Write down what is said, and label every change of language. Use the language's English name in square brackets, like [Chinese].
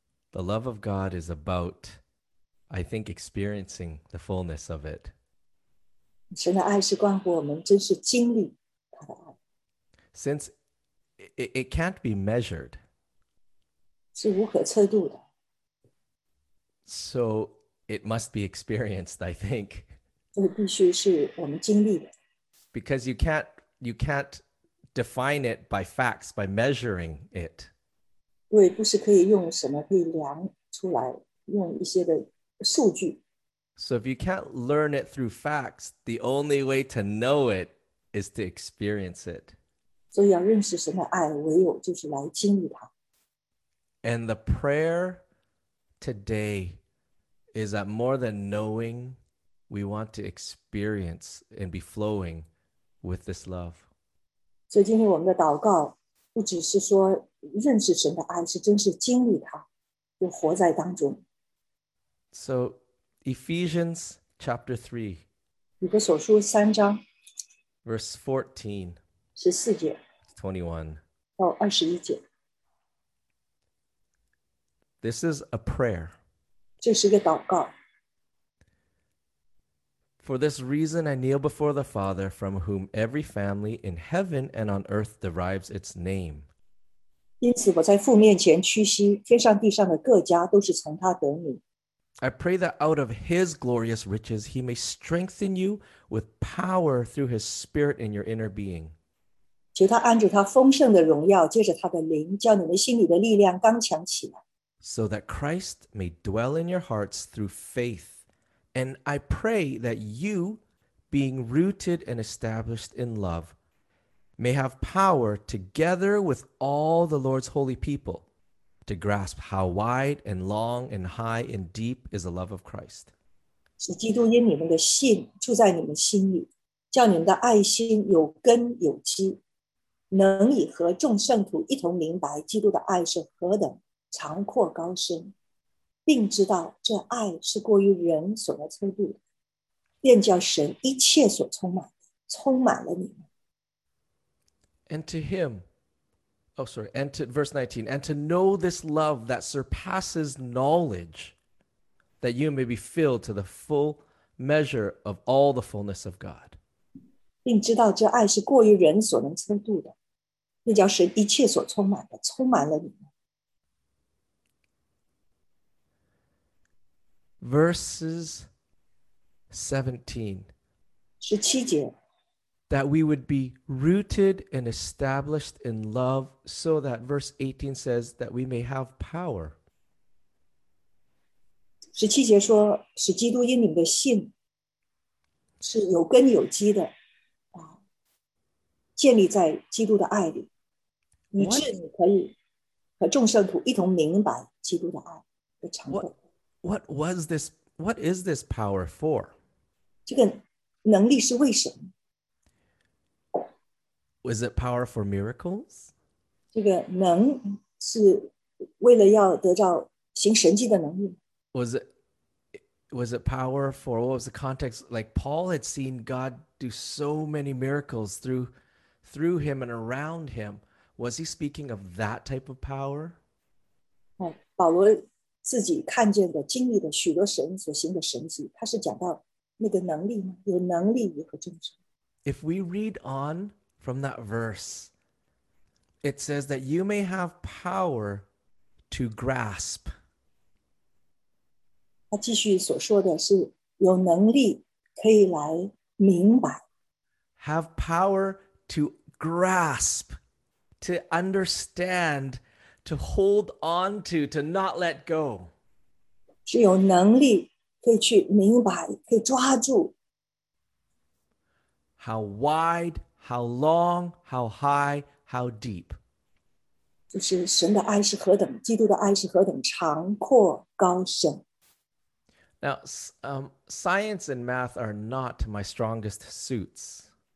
[English] The love of God is about, I think, experiencing the fullness of it. [Chinese] 神的爱是关乎我们真是经历他的爱。 [English] Since it can't be measured. [Chinese] 是无可测度的。 [English] So it must be experienced, I think. [Chinese] 这必须是我们经历的。 [English] Because you can't define it by facts, by measuring it. [Chinese] 对，不是可以用什么可以量出来，用一些的数据。 [English] So if you can't learn it through facts, the only way to know it is to experience it. [Chinese] 所以要认识神的爱，唯有就是来经历它。 [English] And the prayer today is that more than knowing, we want to experience and be flowing with this love. [Chinese] 所以今天我们的祷告不只是说认识神的爱，是真是经历它，就活在当中。 [English] So, Ephesians chapter 3, [Chinese] 以弗所书三章 [English] verse 14, [Chinese] 十四节 [English] 21, [Chinese] 哦，二十一节。 [English] This is a prayer. [Chinese] 这是个祷告。 [English] For this reason, I kneel before the Father, from whom every family in heaven and on earth derives its name. [Chinese] 因此我在父面前屈膝，天上地上的各家都是从他得名。 [English] I pray that out of his glorious riches, he may strengthen you with power through his Spirit in your inner being. [Chinese] 求他按着他丰盛的荣耀，借着他的灵，叫你们心里的力量刚强起来。 [English] So that Christ may dwell in your hearts through faith. And I pray that you, being rooted and established in love, may have power together with all the Lord's holy people to grasp how wide and long and high and deep is the love of Christ. [Chinese] 使基督因你们的信住在你们心里，叫你们的爱心有根有基，能以和众圣徒一同明白基督的爱是何等。长阔高深，并知道这爱是过于人所能测度的，便叫神一切所充满，充满了你们。 [English] And to him, oh sorry, and to verse 19, and to know this love that surpasses knowledge, that you may be filled to the full measure of all the fullness of God. [Chinese] 并知道这爱是过于人所能测度的，便叫神一切所充满的，充满了你们。 [English] Verses 17, [Chinese] 17节, [English] that we would be rooted and established in love, so that verse 18 says that we may have power. [Chinese] 17节说,使基督因你们的信是有根有基的,建立在基督的爱里,以致你可以和众圣徒一同明白基督的爱的成果。 [English] What was this? What is this power for? [Chinese] 这个能力是为什么? [English] Was it power for miracles? [Chinese] 这个能是为了要得到行神迹的能力。 [English] Was it power for, what was the context? Like Paul had seen God do so many miracles through him and around him. Was he speaking of that type of power? [Chinese] 保罗自己看见的经历的许多神所行的神迹，他是讲到那个能力吗？有能力如何证实。 [English] If we read on from that verse, it says that you may have power to grasp. [Chinese] 他继续所说的是有能力可以来明白。 [English] Have power to grasp, to understand,to hold on to not let go. [Chinese] 是有能力可以去明白，可以抓住。 [English] How wide, how long, how high, how deep. [Chinese] 就是神的爱是何等，基督的爱是何等长阔高深。 [English] Now, science and math are not my strongest suits.